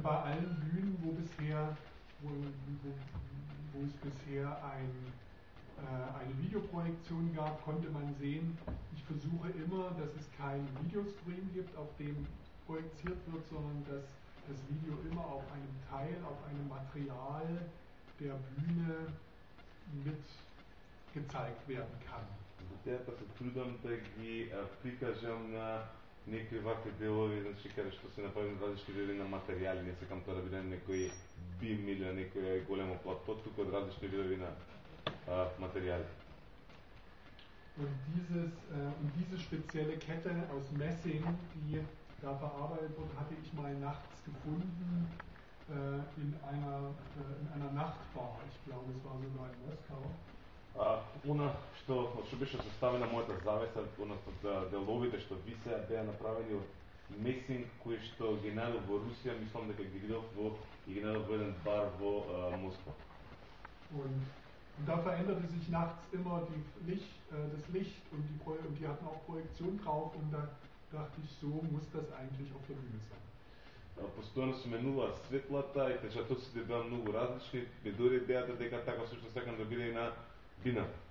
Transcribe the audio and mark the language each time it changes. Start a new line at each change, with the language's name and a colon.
German: bei allen Bühnen, wo es bisher eine Videoprojektion gab, konnte man sehen, ich versuche immer, dass es kein Videoscreen gibt, auf dem projiziert wird, sondern dass das Video immer auf einem Teil, auf einem Material der Bühne mit gezeigt werden kann.
Macedonian: Затоа се трудам да ги прикажам на некои вакви делови, значи каде што се направени различни видови на материјали, не сакам тоа да биде некој бим или некој големо плато, туку од различни видови на материјали.
German: Und diese spezielle Kette aus Messing, die da verarbeitet wurde, hatte ich mal nachts gefunden in einer Nachtbar. Ich glaube, es war sogar in Moskau.
Macedonian: Она што беше составена мојата завеса, односно деловите што висеа, беа направени од месинг кои што ги најдов во Русија, мислам дека ги видов во еден бар во Москва.
German: Und da veränderte sich nachts immer das Licht und die hatten auch Projektion drauf und da dachte ich, so muss das eigentlich auf der Bühne sein.
Macedonian: Постојано се менуваа светлата и печатоците беа многу различни, ме дори идејата дека така всушност сакам да биде и на Бина.